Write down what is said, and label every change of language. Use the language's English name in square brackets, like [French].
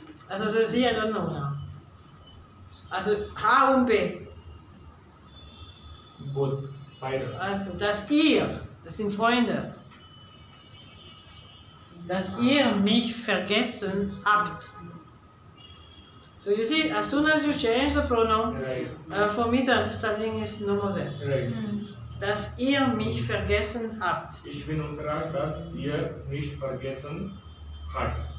[German] Also so Sie, [English] I don't know now. [German] Also H und B. [English] Both, [German] beide. Also dass ihr, das sind Freunde, dass ihr mich vergessen habt. [English] So you see, as soon as you change the pronoun, right. For me the understanding is no more there. Right. [German] Dass ihr mich vergessen habt. Ich bin überrascht, dass ihr mich vergessen habt.